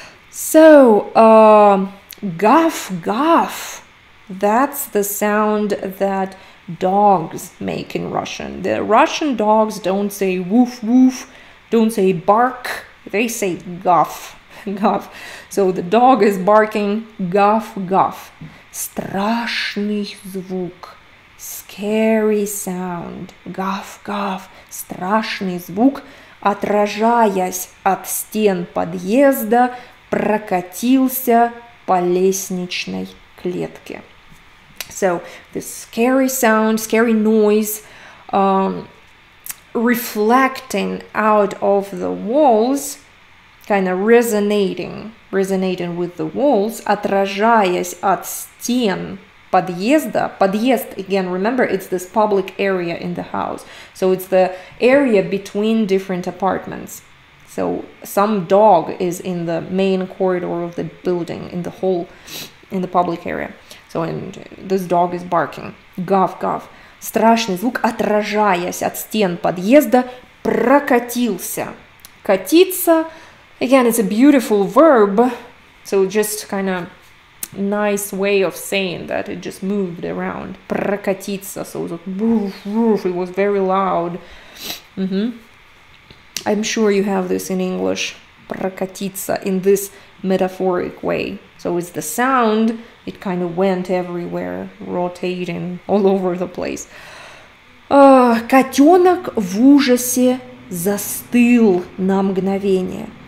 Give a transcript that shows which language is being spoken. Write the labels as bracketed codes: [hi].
[en] So, guff, guff, that's the sound that dogs make in Russian. The Russian dogs don't say woof, woof, don't say bark, they say guff, guff. So the dog is barking, guff, guff. [ru] Страшный звук, [en] scary sound, [ru] guff, guff, страшный звук, отражаясь от стен подъезда, прокатился по лестничной клетке. [en] So, this scary sound, scary noise, reflecting out of the walls, kind of resonating with the walls, [ru] отражаясь от стен подъезда. [en] Подъезд, again, remember, it's this public area in the house. So it's the area between different apartments. So some dog is in the main corridor of the building, in the hall, in the public area. So and this dog is barking. [ru] Гав, гав. Страшный звук, отражаясь от стен подъезда, прокатился. Катиться. [en] Again, it's a beautiful verb. So just kind of nice way of saying that it just moved around. [ru] Прокатиться. [en] So it was like, woof, woof. It was very loud. Mm-hmm. I'm sure you have this in English. [ru] Прокатиться. [en] In this metaphoric way. So it's the sound. It kind of went everywhere, rotating all over the place. [ru] Котенок в ужасе застыл на мгновение.